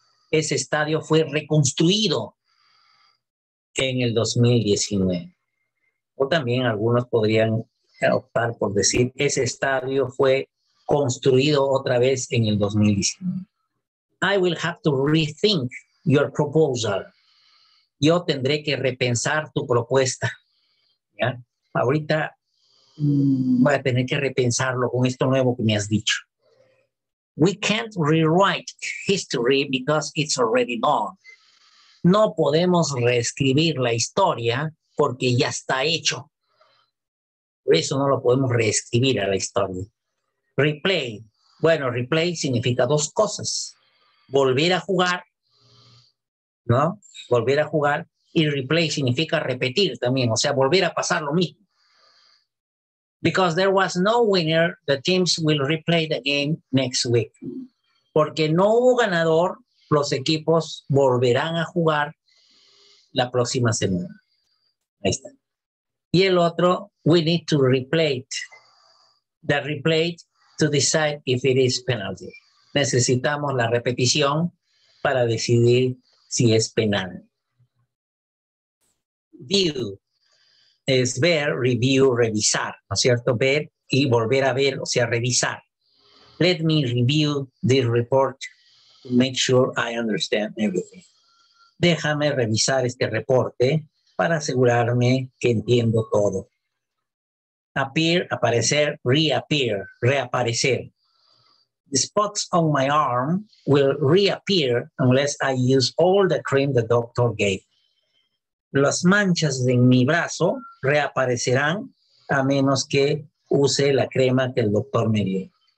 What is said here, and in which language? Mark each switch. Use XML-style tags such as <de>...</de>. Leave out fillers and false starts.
<es>Ese estadio fue reconstruido en el 2019. O también algunos podrían optar por decir, ese estadio fue construido otra vez en el 2019.</es> <en>I will have to rethink your proposal.</en> <es>Yo tendré que repensar tu propuesta. ¿Ya? Ahorita voy a tener que repensarlo con esto nuevo que me has dicho.</es> <en>We can't rewrite history because it's already done.</en> <es>No podemos reescribir la historia porque ya está hecho. Por eso no lo podemos reescribir a la historia. Replay. Bueno, replay significa dos cosas. Volver a jugar, ¿no? Volver a jugar. Y replay significa repetir también. O sea, volver a pasar lo mismo.</es> <en>Because there was no winner, the teams will replay the game next week.</en> <es>Porque no hubo ganador, los equipos volverán a jugar la próxima semana. Ahí está. Y el otro,</es> <en>we need to replay it. The replay to decide if it is penalty.</en> <es>Necesitamos la repetición para decidir si es penal. View. Es ver, review, revisar, ¿no es cierto? Ver y volver a ver, o sea, revisar.</es> <en>Let me review this report to make sure I understand everything.</en> <es>Déjame revisar este reporte para asegurarme que entiendo todo. Appear, aparecer, reappear, reaparecer.</es> <en>The spots on my arm will reappear unless I use all the cream the doctor gave.</en> <es>Las manchas en mi brazo reaparecerán a menos que use la crema que el doctor me dio.</es>